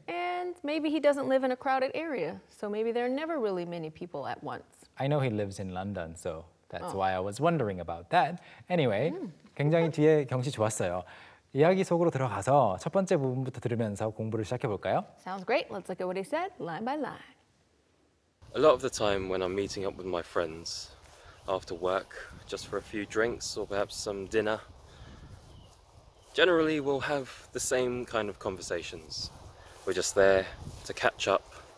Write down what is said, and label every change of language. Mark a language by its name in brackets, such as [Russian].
[English] And maybe he doesn't live in a crowded area, so maybe there are never really many people at once. I know he lives in London, so that's why I was wondering about that. [Korean] Anyway, 굉장히 뒤에 경치 좋았어요. 이야기 속으로 들어가서 첫 번째 부분부터 들으면서 공부를 시작해 볼까요? [English] Sounds great. Let's look at what he said line by line. A lot of the time when I'm meeting up with my friends after work, just for a few drinks or perhaps some dinner, generally we'll have the same kind of conversations. We're just there to catch up,